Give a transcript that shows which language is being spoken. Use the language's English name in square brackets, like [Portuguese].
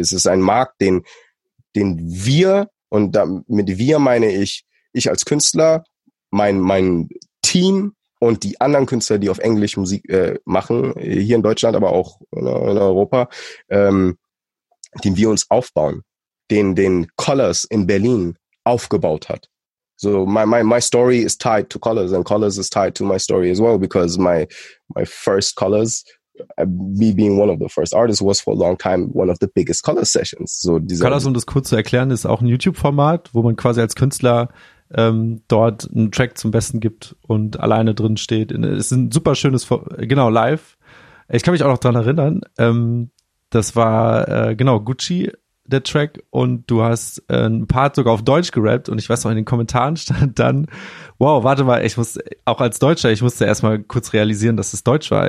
[German] Es ist ein Markt, den wir, und mit wir meine ich als Künstler, mein Team und die anderen Künstler, die auf Englisch Musik machen, hier in Deutschland, aber auch in Europa, den wir uns aufbauen, den Colors in Berlin aufgebaut hat. [English] So my story is tied to Colors and Colors is tied to my story as well, because my first Colors, me being one of the first artists, was for a long time one of the biggest Colors sessions. So [German] diese Colors, um das kurz zu erklären, ist auch ein YouTube-Format, wo man quasi als Künstler dort einen Track zum Besten gibt und alleine drin steht. Es ist ein super schönes, genau, live. Ich kann mich auch noch dran erinnern, das war, genau, Gucci, der Track, und du hast ein Part sogar auf Deutsch gerappt, und ich weiß noch, in den Kommentaren stand dann, wow, warte mal, ich muss, auch als Deutscher, ich musste erstmal kurz realisieren, dass es Deutsch war.